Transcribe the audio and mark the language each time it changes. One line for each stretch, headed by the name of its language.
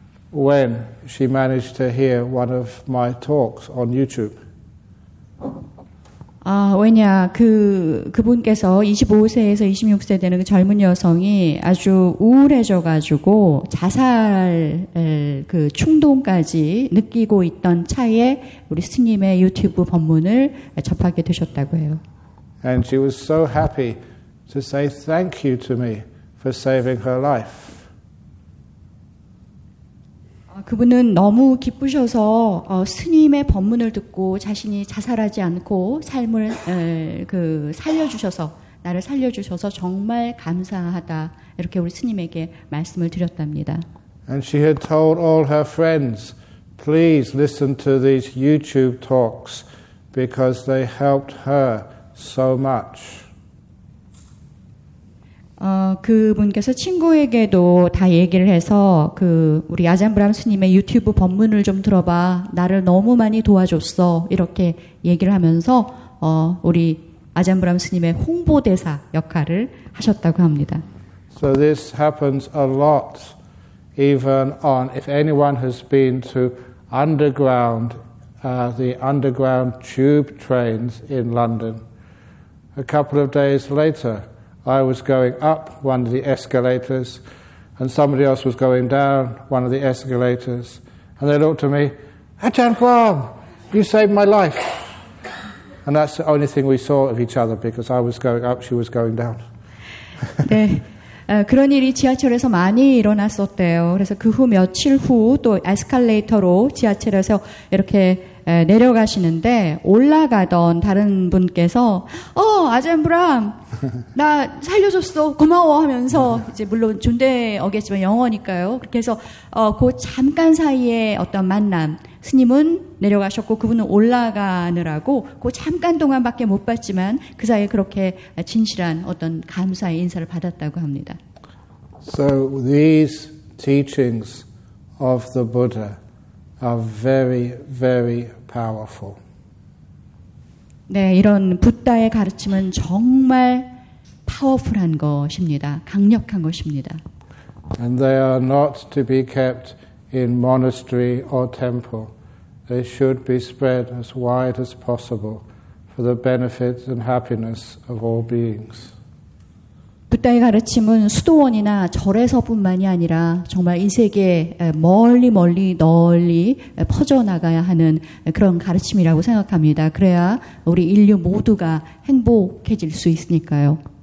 English: When she managed to hear one of my talks on YouTube.
Korean: 왜냐 그분께서 25세에서 26세 되는 그 젊은 여성이 아주 우울해져가지고 자살 그 충동까지 느끼고 있던 차에 우리 스님의 유튜브 법문을 접하게 되셨다고 해요.
English: And she was so happy to say thank you to me for saving her life.
Korean: 그분은 너무 기쁘셔서 스님의 법문을 듣고 자신이 자살하지 않고 삶을 살려주셔서 나를 살려주셔서 정말 감사하다 이렇게 우리 스님에게 말씀을 드렸답니다.
English: And she had told all her friends, please listen to these YouTube talks because they helped her so much.
Korean: 그분께서 친구에게도 다 얘기를 해서 그 우리 아잔 브람 스님의 유튜브 법문을 좀 들어봐. 나를 너무 많이 도와줬어. 이렇게 얘기를 하면서 우리 아잔 브람 스님의 홍보대사 역할을 하셨다고 합니다.
English: So this happens a lot even on if anyone has been to underground the underground tube trains in London. A couple of days later I was going up one of the escalators and somebody else was going down one of the escalators and they looked at me, Ajahn Brahm, you saved my life. And that's the only thing we saw of each other because I was going up, she was going down.
Korean: 네. 그런 일이 지하철에서 많이 일어났었대요. 그래서 그 후 며칠 후 또 에스컬레이터로 지하철에서 이렇게 내려가시는데 올라가던 다른 분께서 아잔 브람 나 살려줬어 고마워 하면서 이제 물론 존대어겠지만 영어니까요. 그렇게 해서 그 잠깐 사이에 어떤 만남 스님은 내려가셨고 그분은 올라가느라고 그 잠깐 동안밖에 못 봤지만 그 사이에 그렇게 진실한 어떤 감사의 인사를 받았다고 합니다.
English: So these teachings of the Buddha are very, very powerful.
Korean: 네, 이런 부다의 가르침은 정말 파워풀한 것입니다. 강력한 것입니다.
English: And they are not to be kept in monastery or temple. They should be spread as wide as possible for the benefit and happiness of all beings.
Korean: 부다의 가르침은 수도원이나 절에서뿐만이 아니라 정말 이 세계에 멀리 멀리 널리 퍼져나가야 하는 그런 가르침이라고 생각합니다. 그래야 우리 인류 모두가 행복해질 수 있으니까요.